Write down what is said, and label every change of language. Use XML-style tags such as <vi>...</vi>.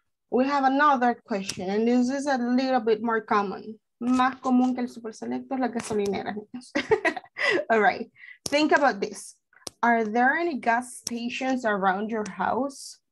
<en>We have another question, and this is a little bit more common.</en> <es>Más común que el super selecto es la gasolinera.</es> <en>All right, think about this. Are there any gas stations around your house?</en>